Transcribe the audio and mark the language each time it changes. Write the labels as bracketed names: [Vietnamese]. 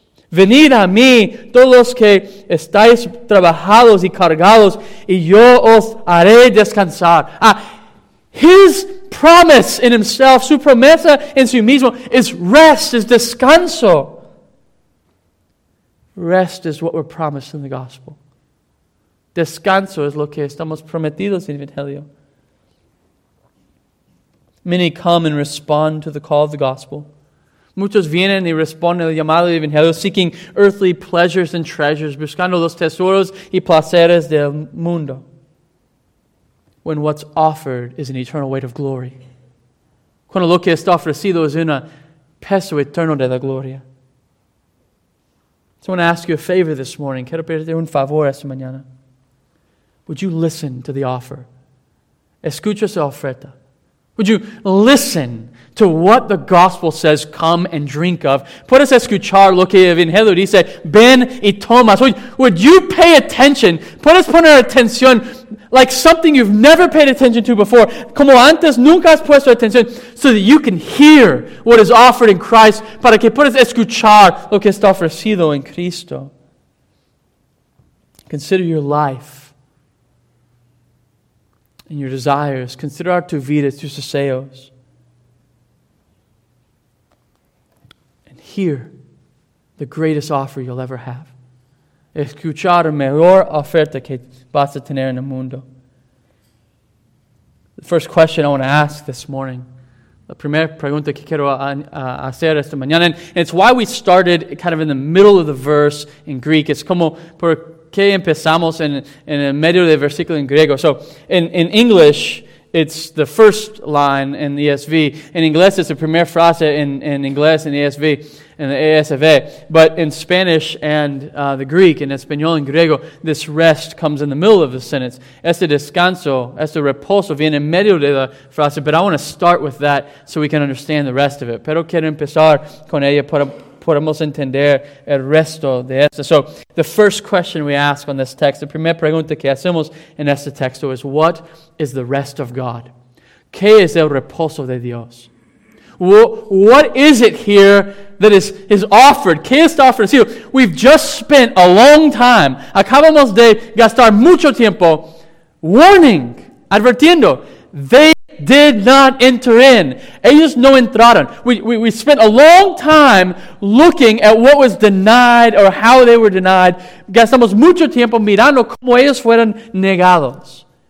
[Spanish] Venid a mí, todos los que estáis trabajados y cargados, y yo os haré descansar. [English] His promise in himself, [Spanish] su promesa en sí mismo, [English] is rest, is descanso. Rest is what we're promised in the gospel. [Spanish] Descanso es lo que estamos prometidos en el Evangelio. [English] Many come and respond to the call of the gospel. [Spanish] Muchos vienen y responden al llamado del Evangelio, [English] seeking earthly pleasures and treasures, [Spanish] buscando los tesoros y placeres del mundo. [English] When what's offered is an eternal weight of glory. [Spanish] Cuando lo que está ofrecido es un peso eterno de la gloria. [English] So I want to ask you a favor this morning. [Spanish] Quiero pedirte un favor esta mañana. [English] Would you listen to the offer? [Spanish] Escucha su oferta. [English] Would you listen to what the gospel says, come and drink of? [Spanish] Puedes escuchar lo que el Evangelio dice, ven y toma. [English] Would you pay attention? [Spanish] Puedes poner atención [English] like something you've never paid attention to before, [Spanish] como antes nunca has puesto atención, [English] so that you can hear what is offered in Christ, [Spanish] para que puedas escuchar lo que está ofrecido en Cristo. [English] Consider your life. And your desires. Consider our [Spanish] tu vida, tus deseos. [English] And hear the greatest offer you'll ever have. [Spanish] Escuchar la mejor oferta que vas a tener en el mundo. [English] The first question I want to ask this morning. [Spanish] La primera pregunta que quiero hacer esta mañana. [English] And it's why we started kind of in the middle of the verse in Greek. [Spanish] It's como por que empezamos en el medio del versículo en griego. [English] So, in English, it's the first line in the ESV. In inglés, it's the [Spanish] primera frase [English] in inglés, in ESV, in the ESV. But in Spanish and the Greek, in español and griego, this rest comes in the middle of the sentence. [Spanish] Este descanso, este reposo, viene en medio de la frase. [English] But I want to start with that so we can understand the rest of it. [Spanish] Pero quiero empezar con ella para podemos entender el resto de esto. [English] So, the first question we ask on this text, the [Spanish] primera pregunta que hacemos en este texto [English] is, what is the rest of God? [Spanish] ¿Qué es el reposo de Dios? [English] What is it here that is offered? [Spanish] ¿Qué está ofrecido? [English] We've just spent a long time, [Spanish] acabamos de gastar mucho tiempo, [English] warning, [Spanish] advirtiendo, [English] they did not enter in. [Spanish] Ellos no entraron. [English] We spent a long time looking at what was denied or how they were denied. [Spanish] Gastamos mucho tiempo mirando cómo ellos fueron negados.